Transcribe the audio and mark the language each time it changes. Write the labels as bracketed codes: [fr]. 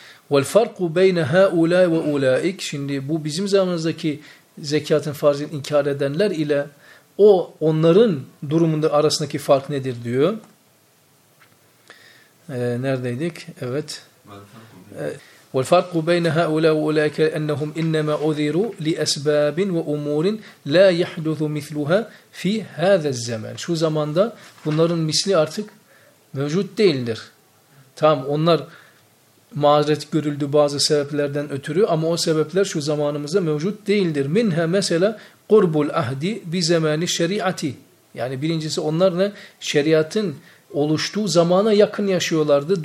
[ar] وَالْفَرْقُ بَيْنَ هَا اُولَٰي وَاُولَٰئِكِ [tr] Şimdi bu bizim zamanımızdaki zekatın farziyetini inkar edenler ile o onların durumunda arasındaki fark nedir diyor. Neredeydik? Evet. [ar] والفرق بين هؤلاء وأولئك أنهم إنما أذروا لأسباب وأمور لا يحدث مثلها في هذا الزمان. [tr] Şu zamanda bunların misli artık mevcut değildir. Tamam, onlar mazeret görüldü bazı sebeplerden ötürü ama o sebepler şu zamanımızda mevcut değildir. [ar] Minha mesela qurbul ahdi bi zamani şeriati. [tr] Yani birincisi onlar ne? Şeriatın oluştuğu zamana yakın yaşıyorlardı.